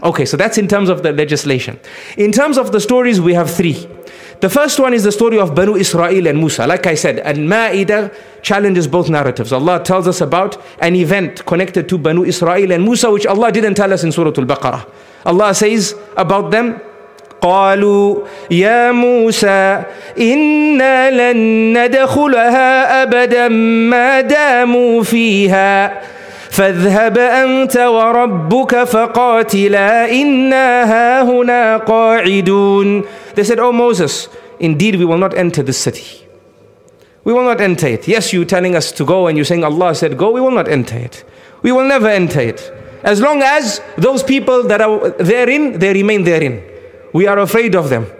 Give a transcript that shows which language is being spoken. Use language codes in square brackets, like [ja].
[en] Okay, so that's in terms of the legislation. In terms of the stories, we have three. The first one is the story of Banu Israel and Musa. Like I said, Al-Ma'idah challenges both narratives. Allah tells us about an event connected to Banu Israel and Musa, which Allah didn't tell us in Surah Al-Baqarah. Allah says about them, [ar] قالوا يا موسى إنا لن ندخلها أبدا ما داموا فيها فاذهب أنت وربك فقاتلا إنا هاهنا قاعدون. [en] They said, oh Moses, indeed we will not enter this city. We will not enter it. Yes, you're telling us to go and you're saying Allah said go, we will not enter it. We will never enter it. As long as those people that are therein, they remain therein. We are afraid of them.